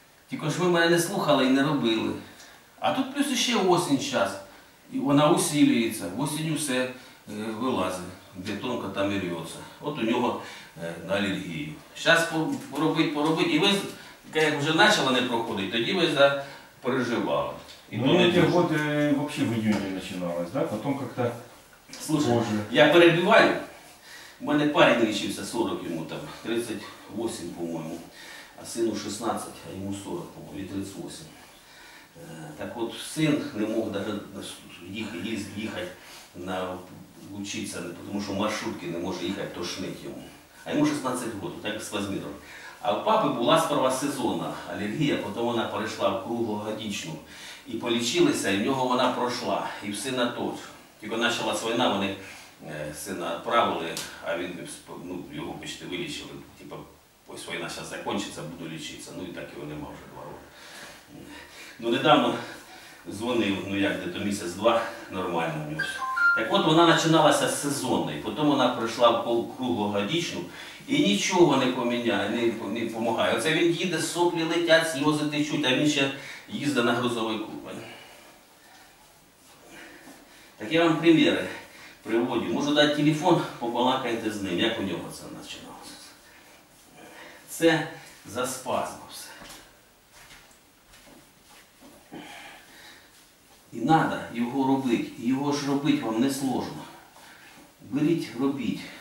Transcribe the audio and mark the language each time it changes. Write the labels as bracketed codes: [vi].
[uk] Тільки ж ви мене не слухали і не робили. А тут плюс ще осінь час. І вона усилюється. Осінь все вилазить, де тонко там і рвється. От у нього на алергію. Зараз поробити. І ви, як вже почала не проходити, тоді ви запереживали. [ru] И ну, эти тоже. Годы вообще в июне начиналось, да? Потом как-то слушай, позже. Я перебиваю. У меня парень учился 40 ему, там, 38, по-моему. А сыну 16, а ему 40, по-моему, и 38. Так вот, сын не мог даже ехать на учиться, потому что маршрутки не может ехать, тошнить ему. А ему 16 лет, так с Вазмиром. А у папы была сперва сезонна аллергия, потом она перейшла в круглогодичну. [uk] И полечилися, и в нього вона пройшла, і в сина тут. Тільки почалась війна, вони сина відправили, а він, ну, його почти вилічили. Типа, ось війна зараз закінчиться, буду лічитися. Ну і так його нема вже 2 роки. Ну недавно дзвонив, ну як, де-то місяць-два, нормально у нього. Так от вона починалася з сезонної, потім вона прийшла в круглогодичну, і нічого не поміняє, не допомагає. Оце він їде, соплі летять, сльози течуть, а він ще їздить на грузовику. Так я вам примери приводю. Можу дати телефон, побалакайте з ним, як у нього це починалося. Це за спазмом все. І треба його робити. Його ж робити вам не сложно. Беріть, робіть.